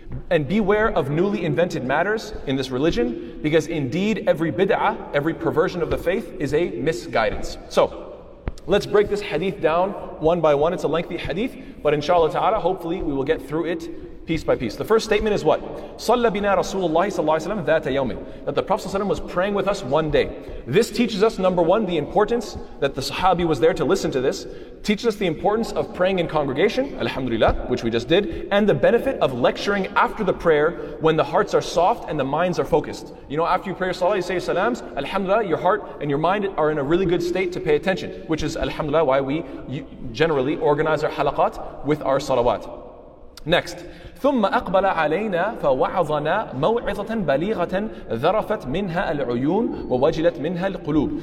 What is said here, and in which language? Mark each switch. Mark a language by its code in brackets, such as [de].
[en] And beware of newly invented matters in this religion, because indeed every bid'ah, every perversion of the faith is a misguidance. So, let's break this hadith down one by one. It's a lengthy hadith, but inshallah ta'ala, hopefully we will get through it piece by piece. The first statement is what? [ar] صلى بنا رسول الله صلى الله عليه وسلم ذات يوم. [en] That the Prophet ﷺ was praying with us one day. This teaches us, number one, the importance that the Sahabi was there to listen to this. Teaches us the importance of praying in congregation, alhamdulillah, which we just did, and the benefit of lecturing after the prayer when the hearts are soft and the minds are focused. You know, after you pray your salah, you say your salams, alhamdulillah, your heart and your mind are in a really good state to pay attention, which is, alhamdulillah, why we generally organize our halaqat with our salawat. [ar] Next, ثم أقبل علينا فوعظنا موعظة بليغة ذرفت منها العيون ووجلت منها القلوب.